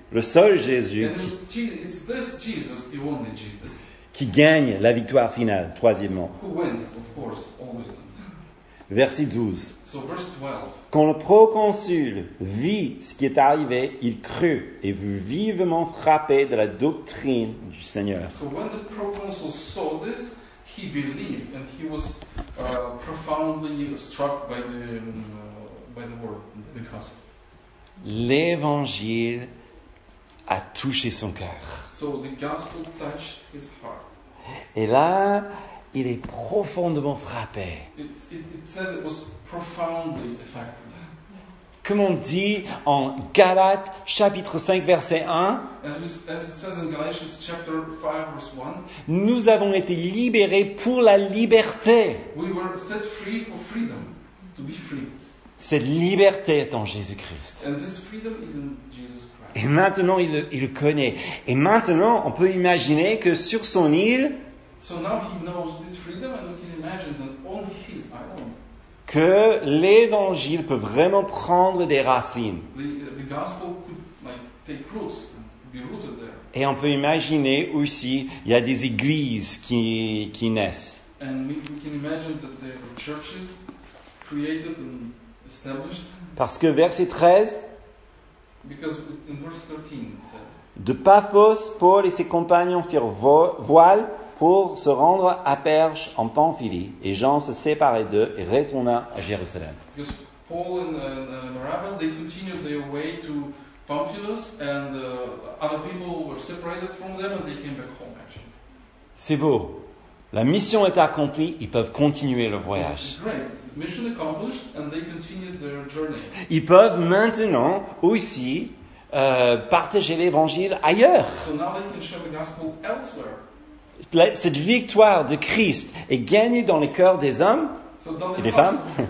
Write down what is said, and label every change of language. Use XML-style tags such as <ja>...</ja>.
<fr>Le seul Jésus qui gagne la victoire finale, troisièmement.</fr> <en>Who wins, of course, always wins.</en> <fr>Verset 12.</fr> <en>So verse 12.</en> <fr>Quand le proconsul vit ce qui est arrivé, il crut et fut vivement frappé de la doctrine du Seigneur.</fr> <en>So when the proconsul saw this, he believed and he was profoundly struck by the word, the gospel.</en> <fr>L'évangile a touché son cœur.</fr> <en>So the gospel touched his heart.</en> <fr>Et là, il est profondément frappé.</fr> <en>It says it was profoundly affected.</en> <fr>Comme on dit en Galates chapitre 5 verset 1,</fr> <en>as it says in Galatians chapter 5 verse 1,</en> <fr>nous avons été libérés pour la liberté.</fr> <en>We were set free for freedom, to be free.</en> <fr>Cette liberté est en Jésus-Christ.</fr> <en>And this freedom is in Jesus.</en> <fr>Et maintenant, il le connaît. Et maintenant, on peut imaginer que sur son île,</fr> <en>so now he knows this freedom and we can imagine that on his island,</en> <fr>que l'évangile peut vraiment prendre des racines.</fr> <en>The gospel could, like, take roots and be rooted there.</en> <fr>Et on peut imaginer aussi, il y a des églises qui naissent.</fr> <en>And we can imagine that there are churches created and established.</en> <fr>Parce que verset 13,</fr> <en>because in verse 13 it says,</en> <fr>de Paphos, Paul et ses compagnons firent voile pour se rendre à Perge en Pamphylie, et Jean se séparait d'eux et retourna à Jérusalem.</fr> <en>Because Paul and Barabbas, they continued their way to Pamphylus, and other people were separated from them and they came back home actually.</en> <fr>C'est beau. La mission est accomplie, ils peuvent continuer le voyage.</fr> <en>Mission accomplished and they continue their journey.</en> <fr>Ils peuvent maintenant aussi partager l'évangile ailleurs.</fr> <en>So now they can share the gospel elsewhere.</en> <fr>Cette victoire de Christ est gagnée dans les cœurs des hommes et des femmes.</fr>